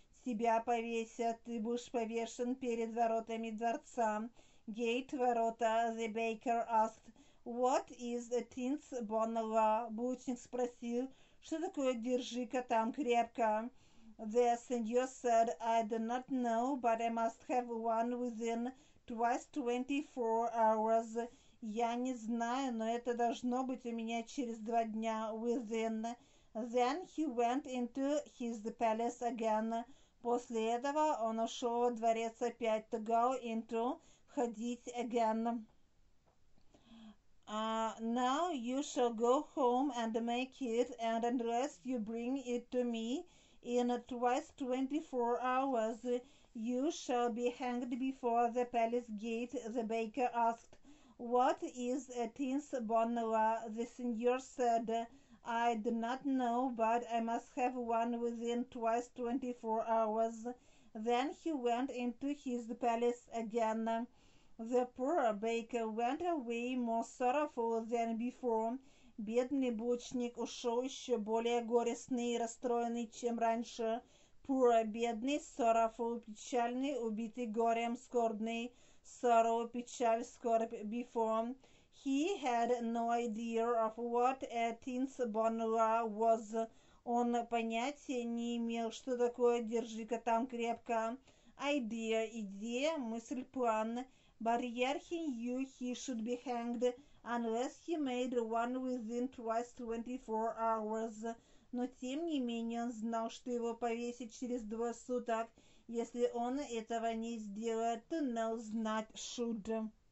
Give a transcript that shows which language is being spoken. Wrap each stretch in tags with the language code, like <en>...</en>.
<ru>Тебя повесят, ты будешь повешен перед воротами дворца.</ru> <en>Gate, ворота. The baker asked, what is a teen's bonola?</en> <ru>Булочник спросил, что такое держи-ка там крепко.</ru> <en>The senior said, I do not know, but I must have one within twice 24 hours.</en> <ru>Я не знаю, но это должно быть у меня через два дня.</ru> <en>Within. Then he went into his palace again.</en> <ru>После этого он ушел в дворец опять.</ru> <en>To go into. Ходить again. Now you shall go home and make it, and unless you bring it to me in twice 24 hours, you shall be hanged before the palace gate. The baker asked, what is a teen's bonola? The senior said, I do not know, but I must have one within twice 24 hours. Then he went into his palace again. The poor baker went away more sorrowful than before.</en> <ru>Бедный булочник ушел еще более горестный и расстроенный, чем раньше. Poor, бедный, sorrowful, печальный, убитый горем, скорбный. Sorrow, печаль, скорбь, before.</ru> <en>He had no idea of what a teen's bonola was.</en> <ru>Он понятия не имел, что такое «держи-ка там крепко». Idea, идея, мысль, план.</ru> <en>But yet he knew he should be hanged unless he made one within twice 24 hours.</en> <ru>Но тем не менее он знал, что его повесят через два суток, если он этого не сделает.</ru> <en>To know,</en> <ru>знать, should.</ru>